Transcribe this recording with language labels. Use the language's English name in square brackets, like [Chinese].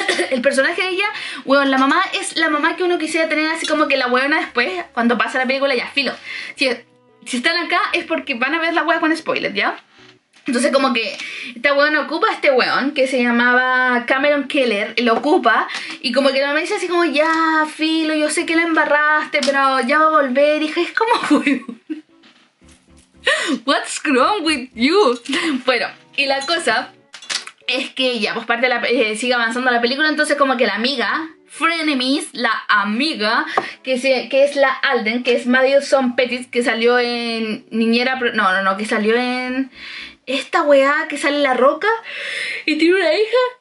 [Spanish] El personaje de ella, weón, la mamá es la mamá que uno quisiera tener, así como que la weona después, cuando pasa la película, ya, filo. Si están acá es porque van a ver la wea con spoilers, ¿ya? Entonces como que esta weón ocupa a este weón que se llamaba Cameron Keller, lo ocupa, y como que la mamá dice así como, ya, filo, yo sé que la embarraste, pero ya va a volver. Y es como, weón, [English] what's wrong with you? [Spanish] Bueno, y la cosa es que ya, pues parte de la sigue avanzando la película. Entonces como que la amiga, Frenemies, la amiga, que es la Alden, que es Madison Pettis, que salió en Niñera, no, que salió en esta weá que sale en La Roca y tiene una hija.